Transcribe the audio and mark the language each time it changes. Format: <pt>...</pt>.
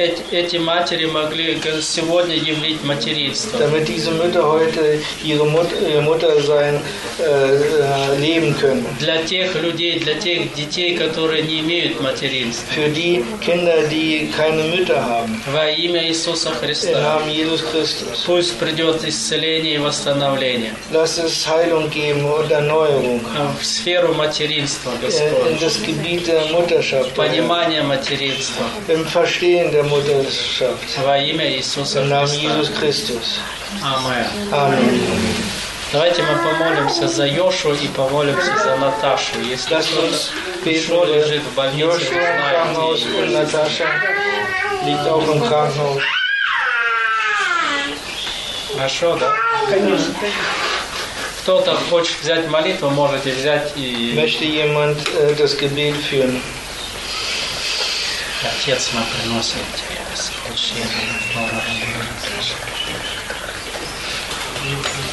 <ru>Эти матери могли сегодня являть материнство.</ru> <de>Damit diese Mütter heute ihre Mutter sein leben können.</de> <ru>Для тех людей, для тех детей, которые не имеют материнства.</ru> <de>Für die Kinder, die keine Mütter haben.</de> <ru>Во имя Иисуса Христа.</ru> <de>Im Namen Jesus Christus.</de> <ru>Пусть придет исцеление и восстановление.</ru> <de>Lass es Heilung geben und Erneuerung.</de> <ru>В сферу материнства, Господь.</ru> <de>In das Gebiet der Mutterschaft.</de> <ru>Понимание материнства.</ru> <de>Im Verstehen der Mutterschaft.</de> <ru>Во имя Иисуса</ru> <de>Христа. Im Namen Jesus Christus. Amen.</de> <ru>Давайте мы помолимся за Йошу и помолимся за Наташу. Если кто-то лежит в больнице, знает. Йошу, Наташа, лежит в больнице. Хорошо, да? Конечно. Кто-то хочет взять молитву, можете взять и...</ru> <de>Möchte jemand das Gebet führen?</de> <ru>Отец, мы приносим Тебя, Господь, Шерри, Бога, Наташа.</ru>